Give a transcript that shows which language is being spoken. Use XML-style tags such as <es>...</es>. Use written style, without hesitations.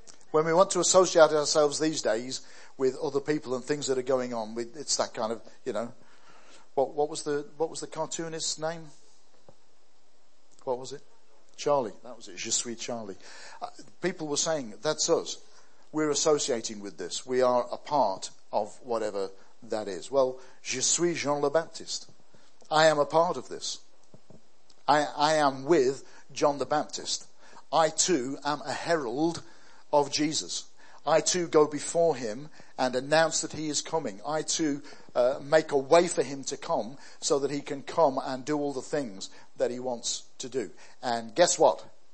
<en>When we want to associate ourselves these days with other people and things that are going on, it's that kind of, you know. What was the cartoonist's name? What was it? Charlie. That was it.</en> <fr>Je suis Charlie.</fr> <en>People were saying, that's us. We're associating with this. We are a part of whatever that is. Well,</en> <fr>je suis Jean le Baptiste.</fr> <en>I am a part of this. I am with John the Baptist. I too am a herald of Jesus. I too go before him and announce that he is coming. I too make a way for him to come so that he can come and do all the things that he wants to do. And guess what?</en>